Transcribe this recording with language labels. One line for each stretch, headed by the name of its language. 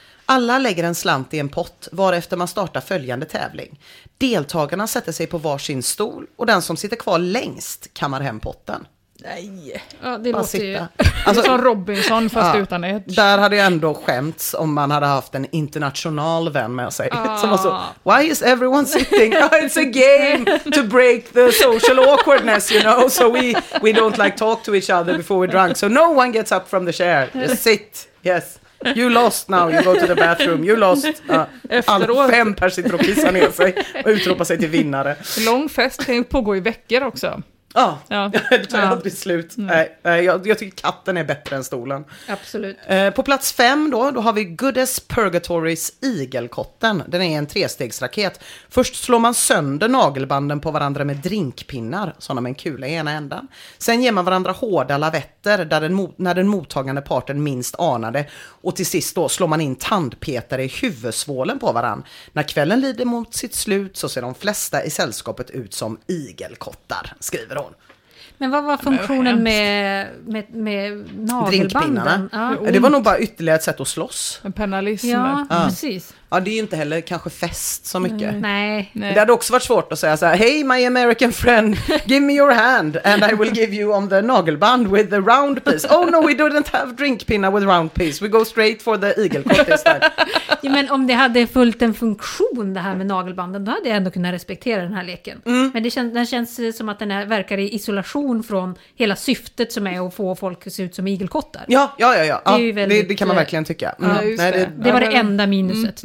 Swedish: Alla lägger en slant i en pott varefter man startar följande tävling. Deltagarna sätter sig på varsin stol och den som sitter kvar längst kammar hem potten. Nej. Ja, det bara låter sitta. Ju alltså, som Robinson fast utan ett. Där hade jag ändå skämts om man hade haft en international vän med sig. Som var så,
English: why is everyone sitting? Oh, it's a game to break the social awkwardness, you know. So we don't like talk to each other before we're drunk. So no one gets up from the chair. Just sit. Yes. You lost now, you go to the bathroom. You lost.
Swedish: Efteråt. Fem personer pissar ner sig och utropar sig till vinnare. Lång fest kan ju pågå i veckor också. Det tar aldrig slut. Jag tycker katten är bättre än stolen. Absolut. På plats 5 då har vi Goodness Purgatory's igelkotten. Den är en trestegsraket. Först slår man sönder nagelbanden på varandra med drinkpinnar, sådana med en kula i ena änden. Sen ger man varandra hårda lavetter där när den mottagande parten minst anade. Och till sist då slår man in tandpetare i huvudsvålen på varandra. När kvällen lider mot sitt slut så ser de flesta i sällskapet ut som igelkottar, skriver. Men vad var funktionen med nagelbanden? Drinkpinnarna. Det var nog bara ytterligare ett sätt att slåss. En penalism. Ja, precis. Ja, det är ju inte heller kanske fest så mycket. Nej. Det hade också varit svårt att säga så här,
English: hey my American friend, give me your hand and I will give you on the nagelband with the round piece. Oh no, we don't have drinkpinnar with round piece. We go straight for the igelkott this time.
Swedish: Ja, men om det hade fullt en funktion det här med nagelbanden, då hade jag ändå kunnat respektera den här leken. Mm. Men den känns som att den här verkar i isolation från hela syftet som är att få folk att se ut som igelkottar. Ja. Det, ja, väldigt, det kan man verkligen tycka. Mm. Nej, det var det enda minuset.